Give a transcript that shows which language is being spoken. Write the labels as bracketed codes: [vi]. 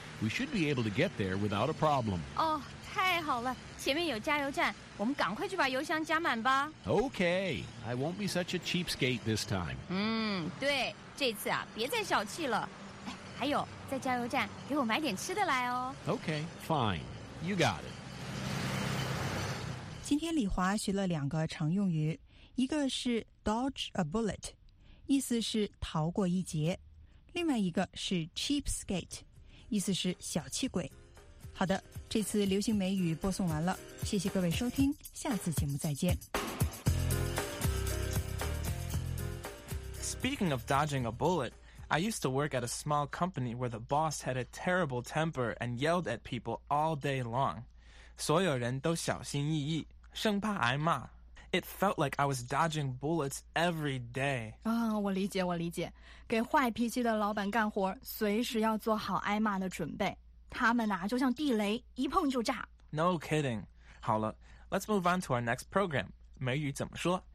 [en] We should be able to get there without a problem. [zh] Oh, 太好了，前面有加油站，我们赶快去把油箱加满吧。 [en] Okay, I won't be such a cheapskate this time. [zh] 对，这次啊，别再小气了。哎，还有，在加油站给我买点吃的来哦。 [en] Okay, fine. You got it. [zh] 今天李华学了两个常用语，一个是 [en] dodge a bullet， [zh] 意思是逃过一劫。另外一个是 cheapskate， 意思是小气鬼。好的，这次流行美语播送完了，谢谢各位收听，下次节目再见。 [en] Speaking of dodging a bullet, I used to work at a small company where the boss had a terrible temper and yelled at people all day long. [zh] 所有人都小心翼翼，生怕挨骂。 [en] It felt like I was dodging bullets every day. [zh] 我理解，我理解。给坏脾气的老板干活，随时要做好挨骂的准备。他们啊，就像地雷，一碰就炸。 [en] No kidding. [zh] 好了 [en] ，Let's move on to our next program. [zh] 美语怎么说？